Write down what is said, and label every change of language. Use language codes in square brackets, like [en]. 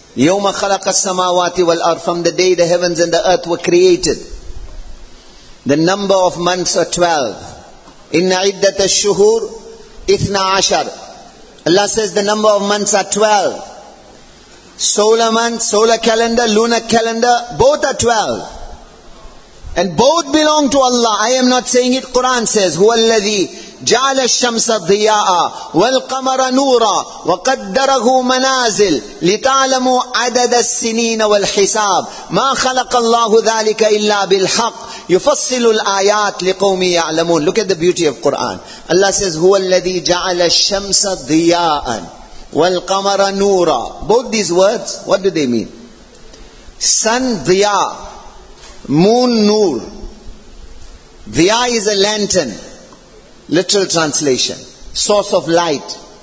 [ar] يوم خلق السماوات والأرض. [en] From the day the heavens and the earth were created, the number of months are 12. [ar] إن عدة الشهور اثنا عشر. [en] Allah says the number of months are 12. Solar month, solar calendar, lunar calendar, both are 12. And both belong to Allah. I am not saying it. Quran says, [ar] هو الذي جعل الشمس ضياء والقمر نورا وقدره منازل لتعلموا عدد السنين والحساب ما خلق الله ذلك إلا بالحق يفصل الآيات لقوم يعلمون. [en] Look at the beauty of Quran. Allah says, [ar] هو الذي جعل الشمس ضياء وَالْقَمَرَ نُورًا. [en] Both these words, what do they mean? Sun, ضياء. Moon, نور. ضياء is a lantern. Literal translation. Source of light.